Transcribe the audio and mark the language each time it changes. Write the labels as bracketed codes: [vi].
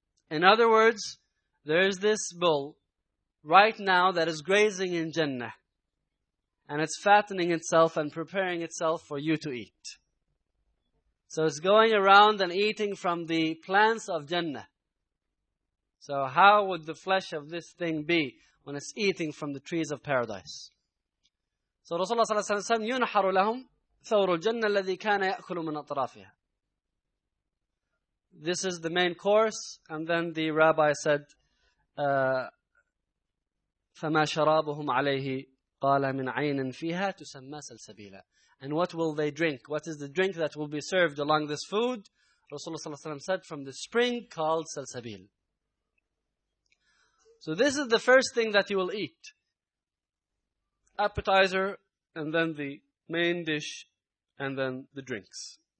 [en] In other words, there is this bull right now that is grazing in Jannah, and it's fattening itself and preparing itself for you to eat. So it's going around and eating from the plants of Jannah. So how would the flesh of this thing be when it's eating from the trees of paradise? So Rasulullah [ar] صلى الله عليه وسلم يُنحر لهم ثور الجنة الذي كان يأكل من أطرافها. [en] This is the main course. And then the rabbi said, [ar] فما شرابهم عليه قال من عين فيها تسمى سلسبيلا. [en] And what will they drink? What is the drink that will be served along this food? Rasulullah صلى الله عليه وسلم said, from the spring called سلسبيل. So this is the first thing that you will eat. Appetizer, and then the main dish, and then the drinks.